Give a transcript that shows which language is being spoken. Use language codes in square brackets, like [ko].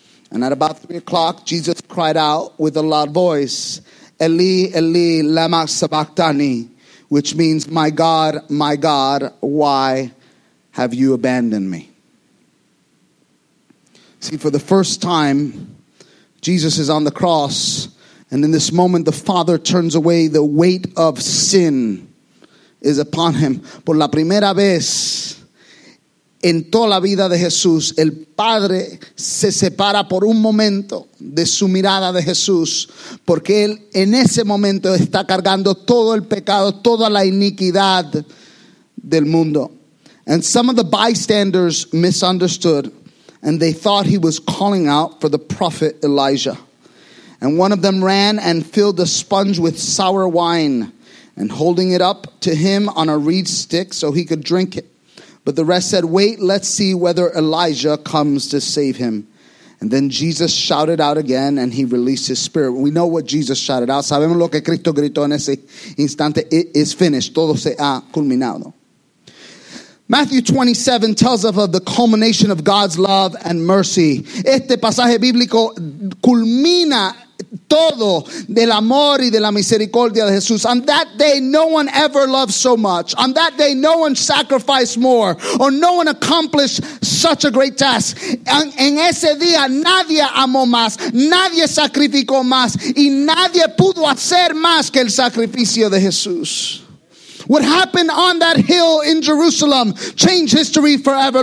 [en] And at about 3 o'clock, Jesus cried out with a loud voice, [arc] Eli, Eli, lama sabachthani, [en] which means, my God, why have you abandoned me? See, for the first time, Jesus is on the cross, and in this moment, the Father turns away. The weight of sin is upon him. [es] Por la primera vez en toda la vida de Jesús, el Padre se separa por un momento de su mirada de Jesús, porque él en ese momento está cargando todo el pecado, toda la iniquidad del mundo. [en] And some of the bystanders misunderstood, and they thought he was calling out for the prophet Elijah. And one of them ran and filled a sponge with sour wine, and holding it up to him on a reed stick so he could drink it. But the rest said, wait, let's see whether Elijah comes to save him. And then Jesus shouted out again, and he released his spirit. We know what Jesus shouted out. [es] Sabemos lo que Cristo gritó en ese instante. [en] It is finished. [es] Todo se ha culminado. [en] Matthew 27 tells us of the culmination of God's love and mercy. [es] Este pasaje bíblico culmina todo del amor y de la misericordia de Jesús. [en] On that day, no one ever loved so much. On that day, no one sacrificed more, or no one accomplished such a great task. [es] En ese día, nadie amó más, nadie sacrificó más, y nadie pudo hacer más que el sacrificio de Jesús. [en] What happened on that hill in Jerusalem changed history forever.